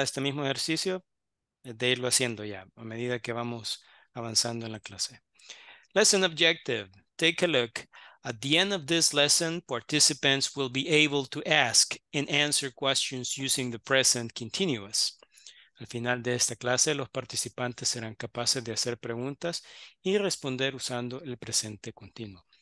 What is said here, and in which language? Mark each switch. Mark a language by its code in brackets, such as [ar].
[es] Este mismo ejercicio de irlo haciendo ya a medida que vamos avanzando en la clase. [en] Lesson objective. Take a look. At the end of this lesson, participants will be able to ask and answer questions using the present continuous. [es] Al final de esta clase, los participantes serán capaces de hacer preguntas y responder usando el presente continuo.